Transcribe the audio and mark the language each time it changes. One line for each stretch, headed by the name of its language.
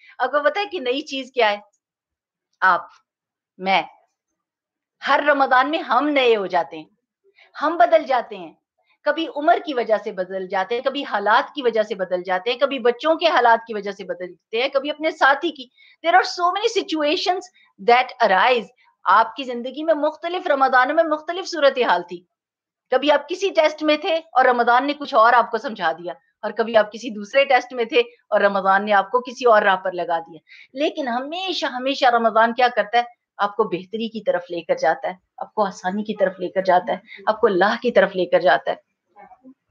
Urdu: آپ کو پتا ہے کہ نئی چیز کیا ہے؟ آپ, میں. ہر رمضان میں ہم نئے ہو جاتے ہیں, ہم بدل جاتے ہیں. کبھی عمر کی وجہ سے بدل جاتے ہیں, کبھی حالات کی وجہ سے بدل جاتے ہیں, کبھی بچوں کے حالات کی وجہ سے بدل جاتے ہیں, کبھی اپنے ساتھی کی.
English: There are so many situations that arise.
Urdu: آپ کی زندگی میں مختلف رمضانوں میں مختلف صورتحال تھی. کبھی آپ کسی ٹیسٹ میں تھے اور رمضان نے کچھ اور آپ کو سمجھا دیا, اور کبھی آپ کسی دوسرے ٹیسٹ میں تھے اور رمضان نے آپ کو کسی اور راہ پر لگا دیا. لیکن ہمیشہ ہمیشہ رمضان کیا کرتا ہے؟ آپ کو بہتری کی طرف لے کر جاتا ہے, آپ کو آسانی کی طرف لے کر جاتا ہے, آپ کو اللہ کی طرف لے کر جاتا ہے.